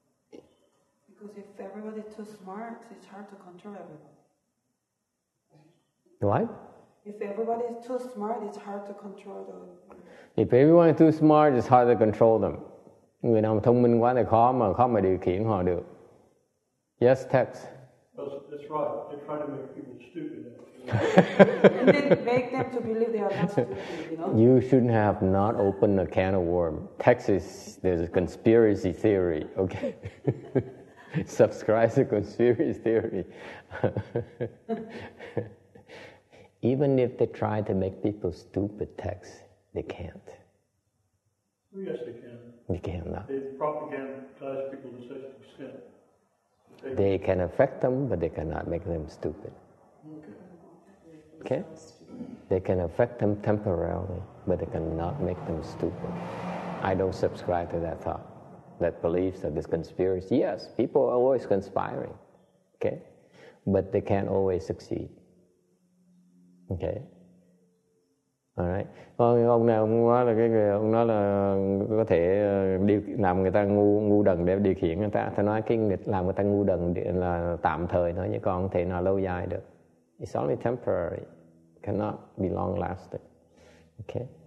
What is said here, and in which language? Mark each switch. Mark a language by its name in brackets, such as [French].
[English] Because if everybody's too smart, it's hard to control everyone. What? If everybody is too smart, it's hard to control them. If everyone is too smart, it's hard to control them. [Vietnamese] Người nào thông minh quá thì khó mà điều khiển họ được. [English] Yes, Tex. That's right. They try to make people stupid. And then make them to believe they are not stupid, you know? You shouldn't have not opened a can of worm. Texas, there's a conspiracy theory, okay? Subscribe to conspiracy theory. Even if they try to make people stupid, Tex, they can't. Yes, they can. They cannot. They propagandize people to such extent. They can affect them, but they cannot make them stupid. Okay, they can affect them temporarily, but they cannot make them stupid. I don't subscribe to that thought, that belief that this conspiracy. Yes, people are always conspiring, okay, but they can't always succeed. Okay, all right. [Vietnamese] Ông này ông nói là cái người ông nói là có thể làm người ta ngu đần để điều khiển người ta. Thì nói cái người làm người ta ngu đần là tạm thời thôi, chứ còn thể nào lâu dài được. [English] It's only temporary, cannot be long lasting. Okay.